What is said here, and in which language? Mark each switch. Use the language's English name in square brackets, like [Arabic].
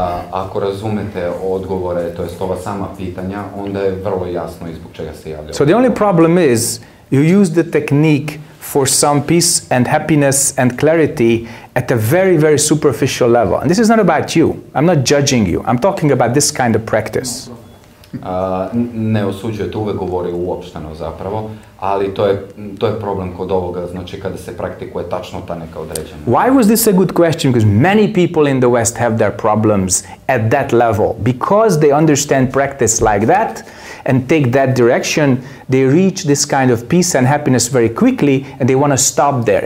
[Serbian] Ako razumete odgovore, to jest ova sama pitanja, onda je vrlo jasno I zbog čega se javlja. [English] So the only problem is, you use the technique for some peace and happiness and clarity at a very, very superficial level. And this is not about you. I'm not judging you. I'm talking about this kind of practice. [Serbian] Ne osuđujete, uvek govori uopšteno zapravo, ali to je problem kod ovoga, znači kada se praktikuje tačno ta neka određena. [English] Why was this a good question? Because many people in the West have their problems at that level. Because they understand practice like that and take that direction, they reach this kind of peace and happiness very quickly and they want to stop there.